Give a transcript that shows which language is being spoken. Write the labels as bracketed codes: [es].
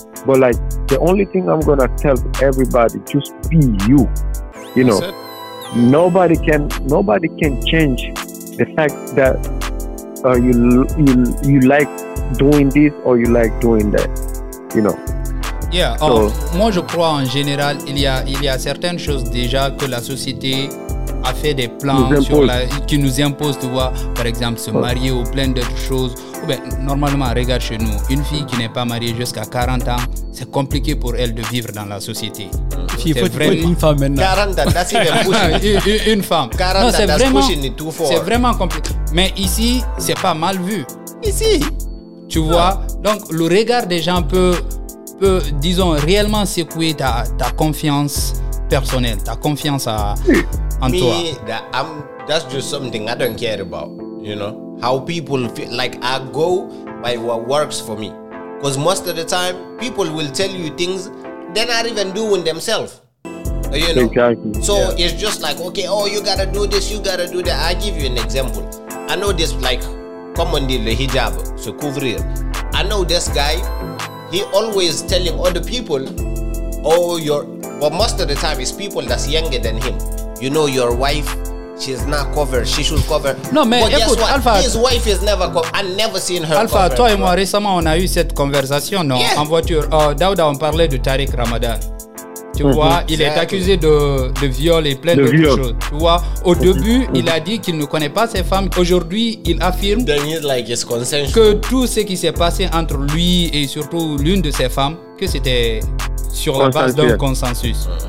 [en] But like, the only thing I'm gonna tell everybody, just be you. You know, nobody can change the fact that you like doing this or you like doing that. You know. Yeah. [fr] So, moi, je crois en général, il y a certaines choses déjà que la société a fait des plans qui nous impose, tu vois, par exemple, se marier ou plein d'autres choses. Ben, normalement, regarde chez nous, une fille qui n'est pas mariée jusqu'à 40 ans, c'est compliqué pour elle de vivre dans la société. Il faut vraiment une femme maintenant. 40 ans, [en] that's even pushing. [fr] Une femme. 40 ans, [en] that's pushing it too far. [fr] C'est vraiment compliqué. Mais ici, c'est pas mal vu. Ici. Tu vois, donc le regard des gens peut disons, réellement secouer ta confiance personnelle, ta confiance en [en] me, [fr] toi. [en] That's just something I don't care about, you know. How people feel, like, I go by what works for me. Because most of the time, people will tell you things they're not even doing themselves. You know? Exactly. So it's just like, okay, oh, you gotta do this, you gotta do that. I'll give you an example. I know this, like, commonly the hijab, so couvrir. I know this guy, he always telling other people, but most of the time, it's people that's younger than him. You know, your wife, She's not covered. She should cover. [fr] Non, mais [en] but [fr] écoute, [en] guess what? Alpha, his wife is never covered. I've never seen her. [fr] Alpha, toi et moi, récemment, on a eu cette conversation, non? [en] Yeah. [fr] En voiture. Oh, Daouda, on parlait de Tariq Ramadan. Tu vois, il est accusé de viol et plein d'autres choses. Tu vois, au début, il a dit qu'il ne connaît pas ses femmes. Aujourd'hui, il affirme que tout ce qui s'est passé entre lui et surtout l'une de ses femmes, que c'était sur la base d'un consensus.